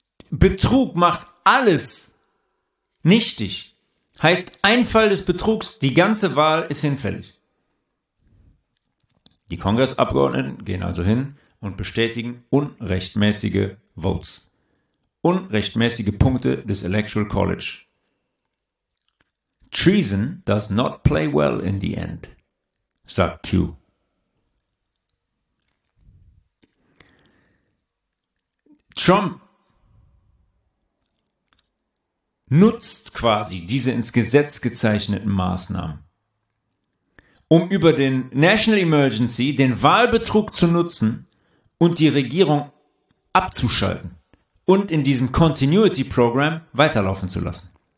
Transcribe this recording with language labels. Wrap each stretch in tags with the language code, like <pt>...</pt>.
<de>Betrug macht alles nichtig. Heißt, ein Fall des Betrugs, die ganze Wahl ist hinfällig. Die Kongressabgeordneten gehen also hin und bestätigen unrechtmäßige Votes. Unrechtmäßige Punkte des Electoral College.</de> <en>Treason does not play well in the end,</en> <de>sagt Q. Trump nutzt quasi diese ins Gesetz gezeichneten Maßnahmen, um über den National Emergency den Wahlbetrug zu nutzen und die Regierung abzuschalten und in diesem Continuity Program weiterlaufen zu lassen.</de>